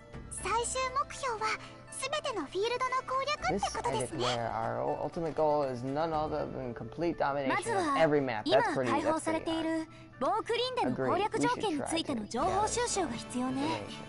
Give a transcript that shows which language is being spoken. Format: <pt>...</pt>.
<ja>最終目標は全てのフィールドの攻略ってことですね。</ja> <en>This edit where our ultimate goal is none other than complete domination of every map.</en> <ja>まずは今開放されているボークリンデの攻略条件についての情報収集が必要ね。</ja>